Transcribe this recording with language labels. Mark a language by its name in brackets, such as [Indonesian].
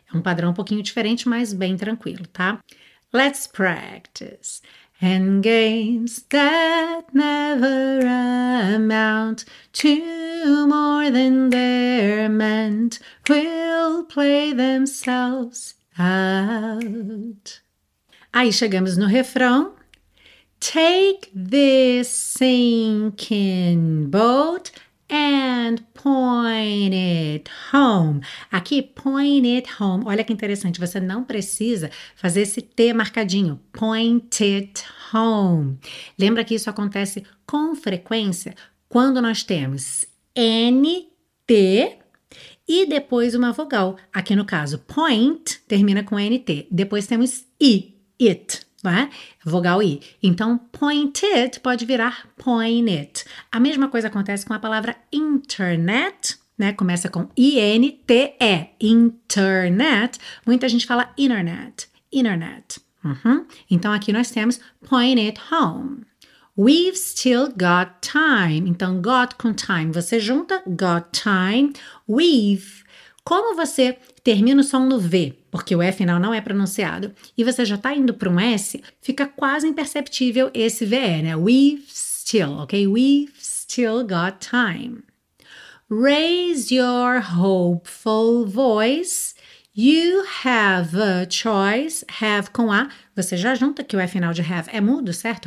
[Portuguese] É um padrão um pouquinho diferente, mas bem tranquilo, tá? [English] Let's practice. And games that never amount to more than they're meant will play themselves out. [Portuguese] Aí chegamos no refrão. [English] Take this sinking boat and point it home. [Portuguese] Aqui, point it home. Olha que interessante, você não precisa fazer esse T marcadinho. Point it home. Lembra que isso acontece com frequência quando nós temos N, T e depois uma vogal. Aqui no caso, point termina com N, T. Depois temos I, it, não é? Vogal I. Então, point it pode virar point it. A mesma coisa acontece com a palavra internet, né? Começa com I-N-T-E, internet. Muita gente fala internet, internet. Uhum. Então, aqui nós temos point it home. [English] We've still got time. [Portuguese] Então, got com time. Você junta got time. We've Como você termina o som no V, porque o E final não é pronunciado, e você já está indo para um S, fica quase imperceptível esse VE, né? [English] We've still, ok? We've still got time. Raise your hopeful voice. You have a choice. [Portuguese] Have com A. Você já junta que o E final de have é mudo, certo?